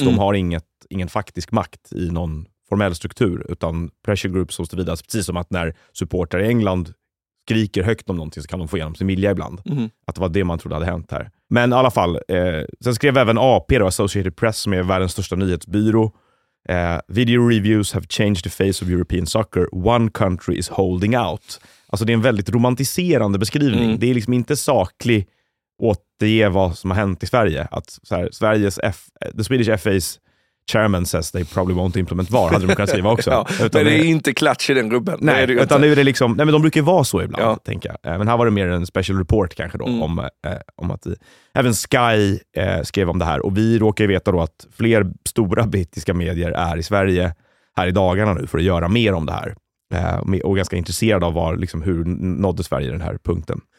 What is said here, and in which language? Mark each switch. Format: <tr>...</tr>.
<sv>Mm. De har ingen faktisk makt i någon formell struktur, utan pressure groups och så vidare. Precis som att när supportrar i England skriker högt om någonting, så kan de få igenom sin vilja ibland. Mm. Att det var det man trodde hade hänt här. Men i alla fall, sen skrev även AP då, Associated Press, som är världens största nyhetsbyrå.</sv> <en>Video reviews have changed the face of European soccer. One country is holding out.</en> <sv>Alltså, det är en väldigt romantiserande beskrivning. Mm. Det är liksom inte saklig återge vad som har hänt i Sverige, att så här,</sv> <en>the Swedish FA's chairman says they probably won't implement VAR,</en> <sv>hade de kunnat skriva också. Ja, utan, men det är inte klatsch i den rubben. Nej, det är det utan inte. Nu är det liksom, nej, men de brukar ju vara så ibland, ja. Tänker jag. Men här var det mer en special report kanske då, om att även Sky skrev om det här, och vi råkar ju veta då att fler stora brittiska medier är i Sverige här i dagarna nu för att göra mer om det här, och ganska intresserade av liksom, hur nådde Sverige den här punkten.</sv>